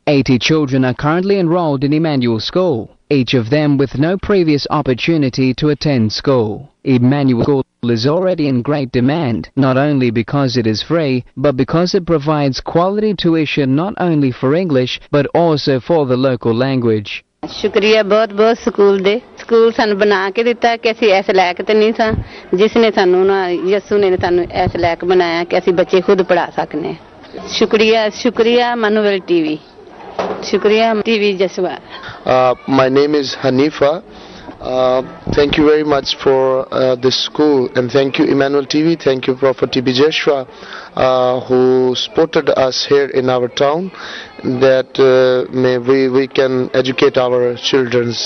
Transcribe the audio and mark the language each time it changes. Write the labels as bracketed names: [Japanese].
[English] 80 children are currently enrolled in Emmanuel School, each of them with no previous opportunity to attend school. Emmanuel School is already in great demand, not only because it is free, but because it provides quality tuition not only for English, but also for the local language. [Punjabi] ਸ਼ੁਕਰੀਆ ਬਹੁਤ ਬਹੁਤ school ਦੇ school ਸਾਨੂੰ ਬਣਾ ਕੇ ਦਿੱਤਾ ਕਿ ਅਸੀਂ ਇਸ ਲਾਇਕ ਤੇ ਨਹੀਂ ਸਾਂ ਜਿਸ ਨੇ ਸਾਨੂੰ ਨਾ ਯਸੂ ਨੇ ਸਾਨੂੰ ਇਸ ਲਾਇਕ ਬਣਾਇਆ ਕਿ ਅਸੀਂ ਬੱਚੇ ਖੁਦ ਪੜ੍ਹਾ ਸਕਨੇ ਸ਼ੁਕਰੀਆ ਸ਼ੁਕਰੀਆ ਮਨੁਵਲ ਟੀਵੀ ਸ਼ੁਕਰੀਆ TV ਜਸਵਾ [English] My name is Hanifa Thank you very much for this school, and thank you Emmanuel TV, thank you Prophet TB Joshua, who supported us here in our town, that we can educate our children.